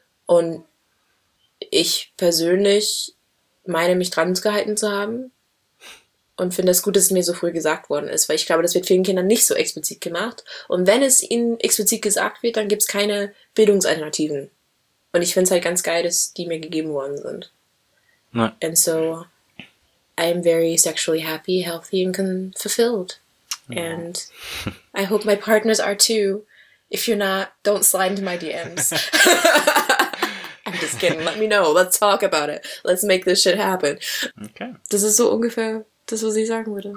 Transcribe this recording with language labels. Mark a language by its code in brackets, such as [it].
[de] Und ich persönlich meine, mich dran gehalten zu haben und finde es gut, dass es mir so früh gesagt worden ist, weil ich glaube, das wird vielen Kindern nicht so explizit gemacht. Und wenn es ihnen explizit gesagt wird, dann gibt es keine Bildungsalternativen. Und ich finde es halt ganz geil, dass die mir gegeben worden sind. Nein. [en] And so, I'm very sexually happy, healthy and fulfilled. And I hope my partners are too. If you're not, don't slide into my DMs. I'm just kidding. Let me know. Let's talk about it. Let's make this shit happen. Okay. [de] Das ist so ungefähr das, was ich sagen würde.